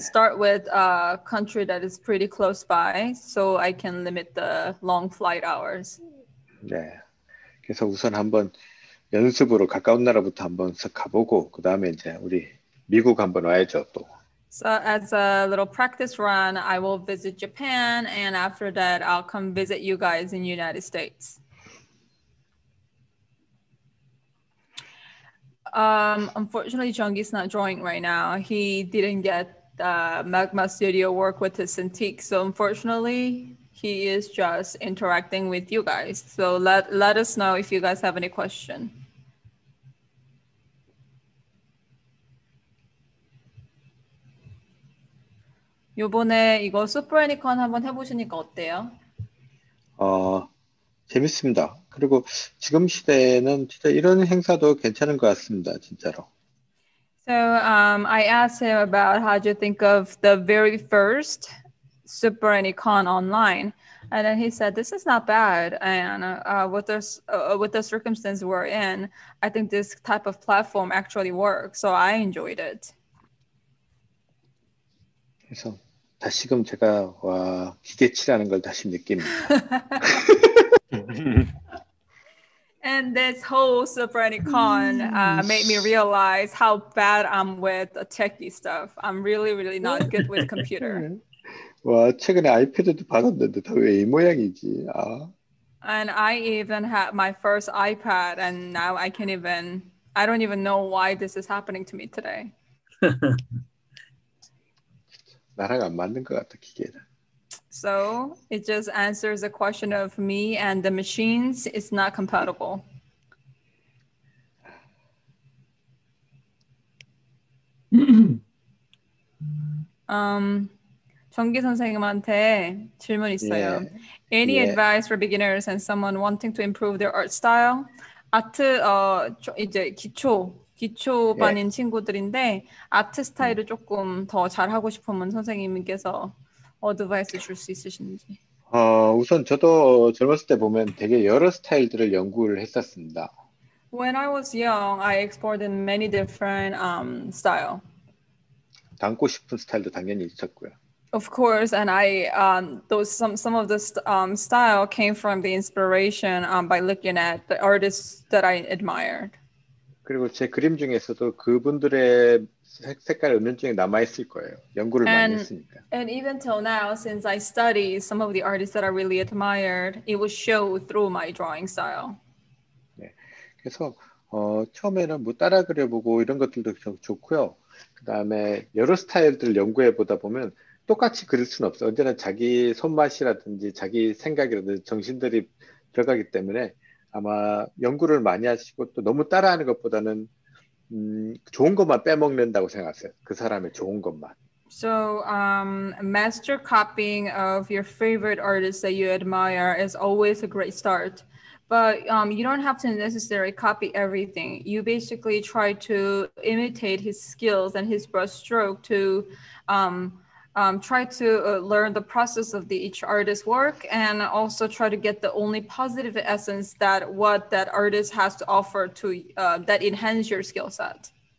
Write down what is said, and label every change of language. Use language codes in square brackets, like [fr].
[en] start with a country that is pretty close by, so I can limit the long flight hours. [ko] 네, 그래서 우선 한번 연습으로 가까운 나라부터 한번 가보고 그 다음에 이제 우리. 미국 한번 와야죠 또. [en] So as a little practice run, I will visit Japan, and after that, I'll come visit you guys in United States. Unfortunately, Jeonggi's not drawing right now. He didn't get the Magma Studio work with his Cintiq, so unfortunately, he is just interacting with you guys. So let us know if you guys have any question. [ko] You번에 이거 Super Anycon 한번 해보시니까 어때요? 재밌습니다. 그리고 지금 시대에는 진짜 이런 행사도 괜찮은 것 같습니다, 진짜로. [en] So I asked him about how you think of the very first Super Anycon online, and then he said this is not bad. And with the circumstances we're in, I think this type of platform actually works. So I enjoyed it. [ko] 그래서. 다시금 제가 와 기대치라는 걸 다시 느낍니다. [en] And this whole Super Anycon made me realize how bad I'm with techie stuff. I'm really, really not good with computer. [ko] 와 최근에 아이패드도 받았는데 다 왜 이 모양이지? 아. [en] And I even had my first iPad, and now I can't even. I don't even know why this is happening to me today. [ko] 나랑 안 맞는 것 같아 기계는. [en] So it just answers the question of me and the machines. It's not compatible. [ko] 정기 선생님한테 질문 있어요. [en] Yeah. Any yeah. advice for beginners and someone wanting to improve their art style? [ko] 아트 이제 기초. 기초반인 예. 친구들인데 아트 스타일을 조금 더 잘하고 싶으면 선생님께서 어드바이스 줄 수 있으신지. 우선 저도 젊었을 때 보면 되게 여러 스타일들을 연구를 했었습니다. [en] When I was young, I explored in many different style. [ko] 닮고 싶은 스타일도 당연히 있었고요. [en] Of course, and I those some of the style came from the inspiration by looking at the artists that I admired. [ko] 그리고 제 그림 중에서도 그분들의 색깔 은연중에 남아 있을 거예요. 연구를 많이 했으니까. [en] And even till now, since I study some of the artists that I really admired, it will show through my drawing style. [ko] 네, 그래서 처음에는 뭐 따라 그려보고 이런 것들도 좋고요. 그 다음에 여러 스타일들을 연구해 보다 보면 똑같이 그릴 수는 없어. 언제나 자기 손맛이라든지 자기 생각이라든지 정신들이 들어가기 때문에 아마 연구를 많이 하시고 또 너무 따라하는 것보다는 좋은 것만 빼먹는다고 생각하세요. 그 사람의 좋은 것만. [en] So, master copying of your favorite artists that you admire is always a great start. But you don't have to necessarily copy everything. You basically try to imitate his skills and his brushstroke to try to learn the process of each artist's work and also try to get the only positive essence that what that artist has to offer to that enhance your skill set.